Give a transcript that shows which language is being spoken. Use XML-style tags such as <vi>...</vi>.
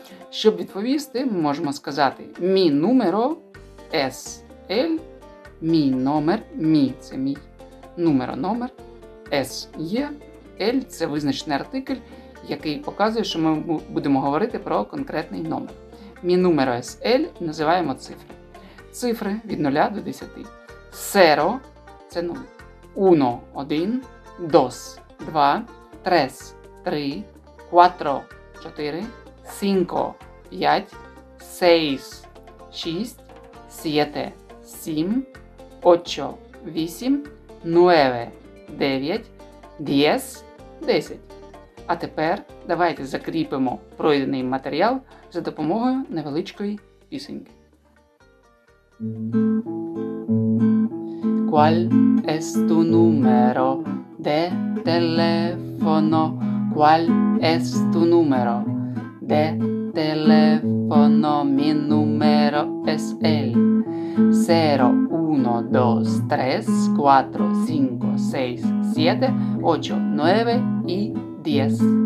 <uk>Щоб відповісти, ми можемо сказати</uk> <es>«mi numero es el»,</es> <uk>«mi номер», «mi» – це мій, «numero» – номер, «es» – є, «el» – це визначений артикль, який показує, що ми будемо говорити про конкретний номер.</uk> <es>«Mi numero es el»</es> <uk>– називаємо цифри. Цифри від 0 до 10. «Cero» – це 0.</uk> <es>«Uno» – 1. «Dos» – 2. «Tres» – 3. «Cuatro» – 4. «Cinco» – 5. «Seis» – 6. «Siete» – 7. «Ocho» – 8. «Nueve» – 9. «Diez» – 10.</es> <uk>А тепер давайте закріпимо пройдений матеріал за допомогою невеличкої пісеньки.</uk> <es>¿Cuál es tu número de teléfono? ¿Cuál es tu número de teléfono? Mi número es el 0, 1, 2, 3, 4, 5, 6, 7, 8, 9 y 10.</es>